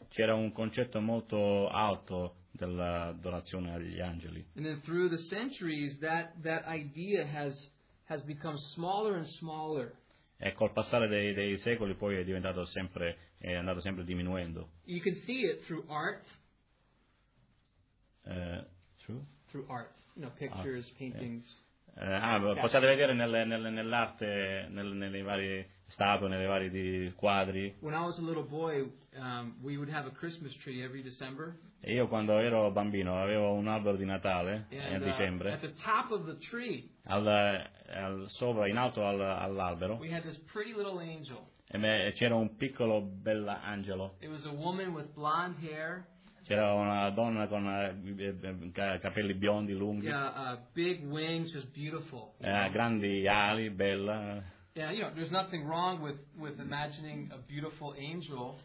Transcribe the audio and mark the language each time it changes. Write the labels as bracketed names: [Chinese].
[Italian] C'era un concetto molto alto della adorazione agli angeli. [English] And then through the centuries that idea has become smaller and smaller. [Italian] E col passare dei secoli poi è andato sempre diminuendo. [English] You can see it through art. Through art, you know, pictures, art, paintings. Yeah. [Italian] Possiate vedere nell'arte, nelle varie statue, nelle varie quadri. [English] When I was a little boy, we would have a Christmas tree every December. [Italian] E io quando ero bambino avevo un albero di Natale a dicembre. [English] At the top of the tree. [Italian] Sopra, in alto all'albero. [English] We had this pretty little angel. [Italian] E c'era un piccolo bell'angelo. [English] It was a woman with blonde hair. [Italian] C'era una donna con capelli biondi lunghi. [English] Yeah, big wings, just beautiful. [Italian] Grandi ali, bella. [English] Yeah, you know, there's nothing wrong with imagining a beautiful angel.